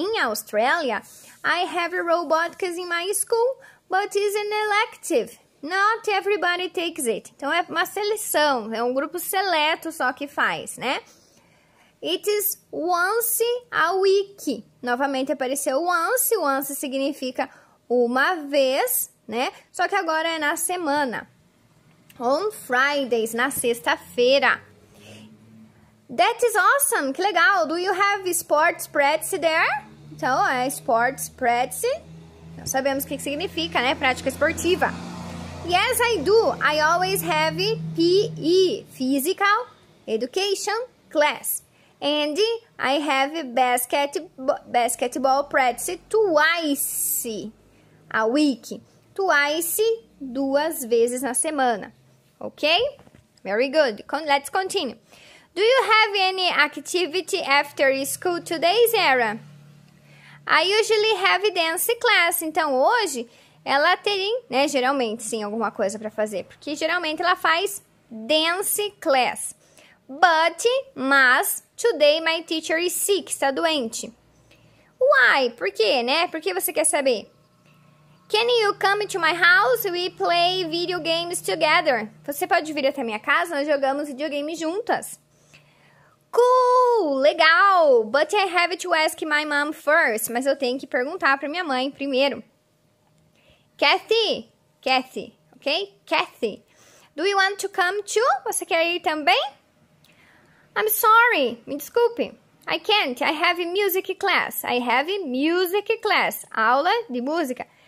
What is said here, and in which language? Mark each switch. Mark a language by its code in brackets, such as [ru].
[en] In Australia, I have robotics in my school, but it's an elective. Not everybody takes it. [pt] Então é uma seleção, é um grupo seleto só que faz, né? [en] It is once a week. [pt] Novamente apareceu [en] once. [pt] Once significa uma vez, né? Só que agora é na semana. [en] On Fridays, [pt] na sexta-feira. [en] That is awesome, [pt] que legal. [en] Do you have sports practice there? [pt] Então, é sports practice. Nós sabemos o que significa, né? Prática esportiva. [en] Yes, I do. I always have PE, physical education class. And I have basketball practice twice a week. Twice, [pt] duas vezes na semana. [en] Ok? Very good. Let's continue. Do you have any activity after school today, Zara? I usually have dance class. [pt] Então hoje ela tem, né? Geralmente sim, alguma coisa para fazer, porque geralmente ela faz dance class. Mas [en] today my teacher is sick, [pt] está doente. [en] Why? [pt] Por quê, né? Por que você quer saber? [en] Can you come to my house? We play video games together. [pt] Você pode vir até minha casa? Nós jogamos videogames juntas. Cool, legal. [en] But I have to ask my mom first. [pt] Mas eu tenho que perguntar para minha mãe primeiro. [en] Kathy, ok? Kathy, do you want to come too? [pt] Você quer ir também? [en] I'm sorry, [pt] me desculpe. [en] I can't. I have music class. I have music class. [pt] Aula de música.